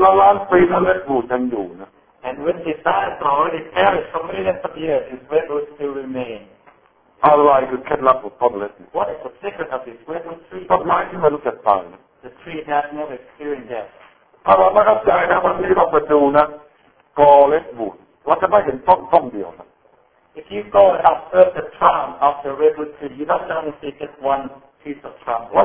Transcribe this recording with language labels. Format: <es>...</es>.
<th>แต่ไดโนเสาร์นี่ตายแล้วเป็นล้านปีแล้วเล็กบูดยังอยู่นะ</th> <en>And when the dinosaur already perished for millions of years, his redwood still remain.</en> <th>อะไรคือเคล็ดลับของต้นเล็กบูด</th> <en>What is the secret of this redwood tree?</en> <th>ต้นไม้ที่ไม่รู้จักตาย</th> <en>The tree has never experienced death.</en> <th>ถ้าเราไม่เข้าใจนะวันนี้เราไปดูนะกอเล็กบูดเราจะไม่เห็นต้นเดียวนะ</th> <en>If you go and observe the trunk of the redwood tree, you don't only see just one piece of trunk.</en>